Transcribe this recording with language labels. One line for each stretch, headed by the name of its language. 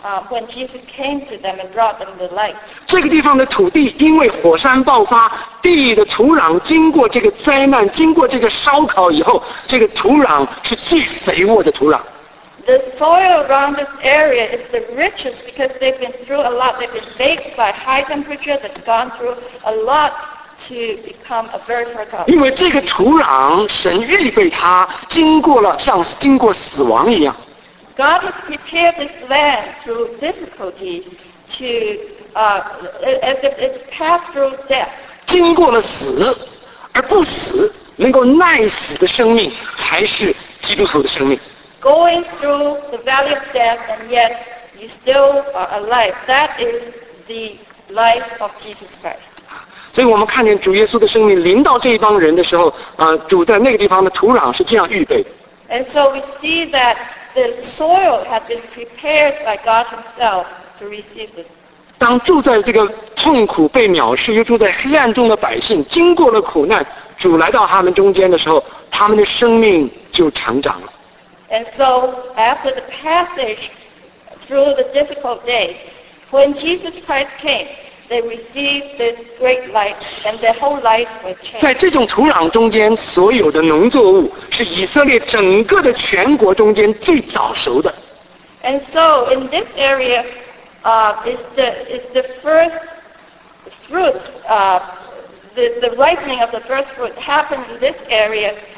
English: When Jesus came to them and brought them the light.
Chinese: 这个地方的土地因为火山爆发，地的土壤经过这个灾难，经过这个烧烤以后，这个土壤是最肥沃的土壤。
English: The soil around this area is the richest because they've been through a lot. They've been baked by high temperature. That's gone through a lot to become a very fertile.
Chinese: 因为这个土壤，神预备它，经过了像经过死亡一样。
English: God has prepared this land through difficulty to, as if it's passed through death.
Chinese: 经过了死而不死，能够耐死的生命才是基督徒的生命。
English: Going through the valley of death and yet you still are alive. That is the life of Jesus Christ.
Chinese: 所以我们看见主耶稣的生命临到这一帮人的时候，主在那个地方的土壤是这样预备的。
English: And so we see that the soil has been prepared by God Himself to receive this.
Chinese: 当住在这个痛苦被藐视又住在黑暗中的百姓经过了苦难，主来到他们中间的时候，他们的生命就成长了。
English: And so after the passage through the difficult days, when Jesus Christ came, they received this great light, and their whole life was changed.
Chinese: 在这种土壤中间，所有的农作物是以色列整个的全国中间最早熟的。
English: And so in this area, is the first fruit, the ripening of the first fruit happened in this area.